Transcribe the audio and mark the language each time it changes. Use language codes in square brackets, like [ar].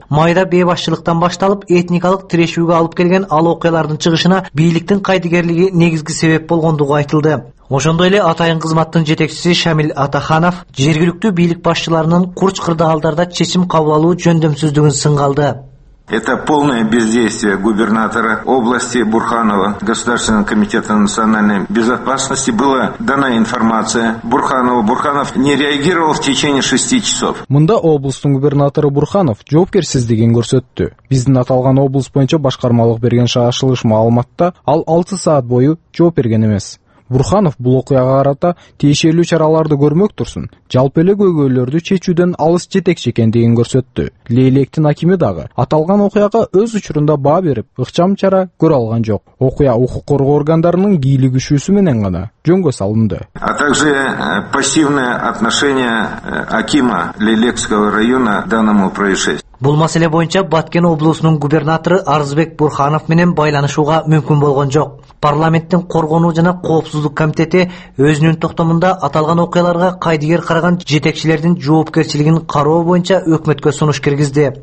[ky] Майда бейбашчылыктан башталып, этникалык тирешүүгө алып келген ал окуялардын чыгышына бийликтин кайдыгерлиги негизги себеп болгондугу айтылды. Ошондой эле атайын кызматтын жетекчиси Шамиль Атаханов жергиликтүү бийлик башчыларынын курч кырдаалдарда чечим кабыл алуу жөндөмсүздүгүн сынгалды. [ru] Это полное бездействие губернатора области Бурханова, Государственного комитета национальной безопасности. Была дана информация Бурханову. Бурханов не реагировал в течение 6 часов. [ky] Мында облыстын губернатору Бурханов жоопкерсиздигин көрсөттү. Биздин аталган облыс боюнча башкармалык берген шашылыш маалыматта ал 6 саат бою жооп берген эмес. Бурханов бул окуяга карата тиешелүү чараларды көрмөк турсун, жалпы эле көйгөйлөрдү чечүүдөн алыс жетекчи экендигин көрсөттү. Лейлектин акими дагы аталган окуяга өз учурунда баа берип, ыкчам чара көрө алган жок. Окуя укук коргоо органдарынын кийлигишүүсү менен гана жөнгө салынды. [ru] А также пассивное отношение акима Лейлекского района данному происшествию. [ky] Бул маселе боюнча Баткен облусунун губернатору Арзбек Бурханов менен байланышууга мүмкүн болгон жок. Парламенттин коргоо жана коопсуздук комитети өзүнүн токтомунда аталган окуяларга кайдыгер караган жетекчилердин жоопкерчилигин кароо боюнча өкмөткө сунуш киргизди.